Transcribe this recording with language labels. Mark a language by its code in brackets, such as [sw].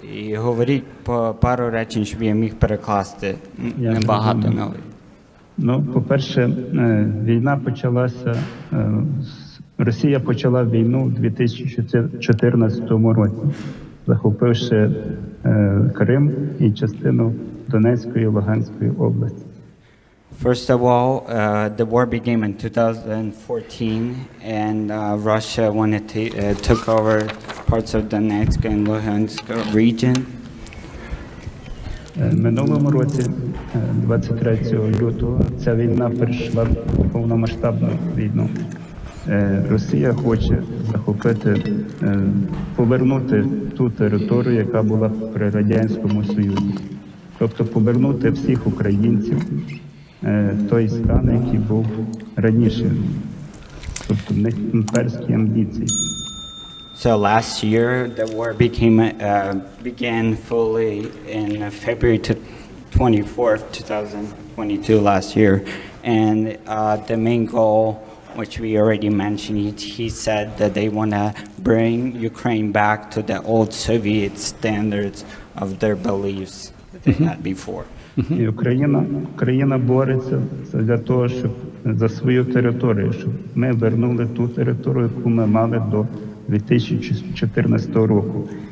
[uk] І говоріть по пару речень, щоб я міг перекласти небагато нові. Ну, по-перше, війна почалася, Росія почала війну в 2014 році, захопивши Крим і частину Донецької і Луганської області. [en] First of all, the war began in 2014, and Russia wanted to took over parts of Donetsk and Luhansk region. [uk] Минулому році, 23 лютого, ця війна перейшла в повномасштабну війну. Росія хоче захопити, повернути ту територію, яка була при Радянському Союзі. Тобто повернути всіх українців. Той стан, який був раніше, тобто не імперські амбіції. [en] So last year the war began fully in February 24th, 2022 last year, and the main goal, which we already mentioned, he said that they want to bring Ukraine back to the old Soviet standards of their beliefs that they had before. [uk] І Україна бореться для того, щоб за свою територію, щоб ми вернули ту територію, яку ми мали до 2014 року.